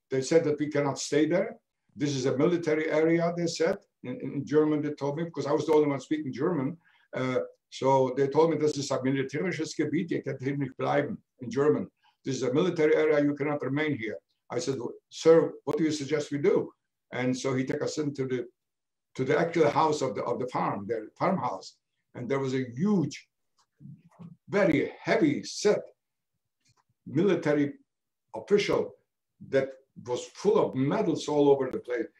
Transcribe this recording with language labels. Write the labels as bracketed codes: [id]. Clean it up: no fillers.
[en] They said that we cannot stay there. This is a military area, they said. In German, they told me, because I was the only one speaking German. So they told me, this is a [de] militärisches Gebiet, ihr könnt hier nicht bleiben, [en] in German. This is a military area, you cannot remain here. I said, sir, what do you suggest we do? And so he took us into the actual house of the farm, their farmhouse. And there was a huge, very heavy set military official that was full of medals all over the place.